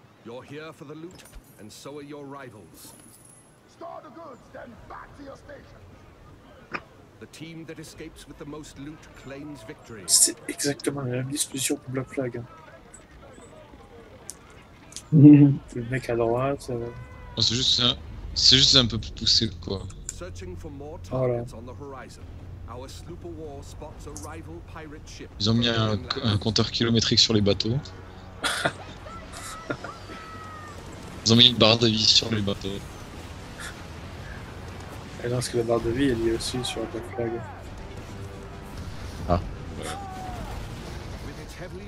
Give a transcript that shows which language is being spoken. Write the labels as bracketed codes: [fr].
[en] You're here for the loot, and so are your rivals. Store the goods, then back to your station. The team that escapes with the most loot claims victory. [fr] C'est exactement la même disposition pour Black Flag. Le mec à droite. Oh, c'est juste un peu plus poussé, quoi. [en] Searching for more targets on the horizon. Our sloop of war spots a rival pirate ship. [fr] Ils ont mis un compteur kilométrique sur les bateaux. Ils ont mis une barre de vie sur les bateaux. Et non, parce que la barre de vie, elle est aussi sur la flag. Ah. Ouais.